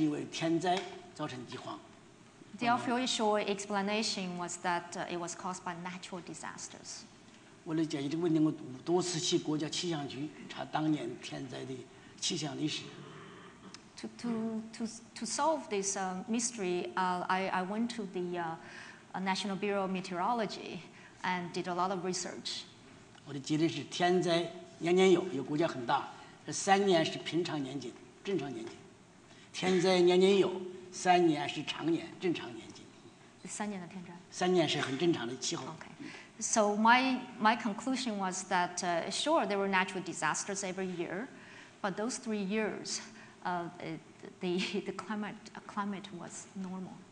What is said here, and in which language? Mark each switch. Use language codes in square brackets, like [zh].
[zh] 但是你在书中啊，你是实际上你是批判了这个政治制度，你觉得是政，你能不能多讲一下这政治制度是一个原因？当时你为了是官方说是因为天灾造成饥荒。 [en] The official explanation was that it was caused by natural disasters. [zh] 为了解决这个问题，我多次去国家气象局查当年天灾的气象历史。 [en] To solve this mystery, I went to the National Bureau of Meteorology and did a lot of research. [zh] 我的结论是天灾年年有，有国家很大，这三年是平常年景，正常年景，天灾年年有。三年是常年，正常年景。三年的天灾。三年是很正常的气候。 [en] Okay. So my conclusion was that sure there were natural disasters every year, but those 3 years, the climate was normal.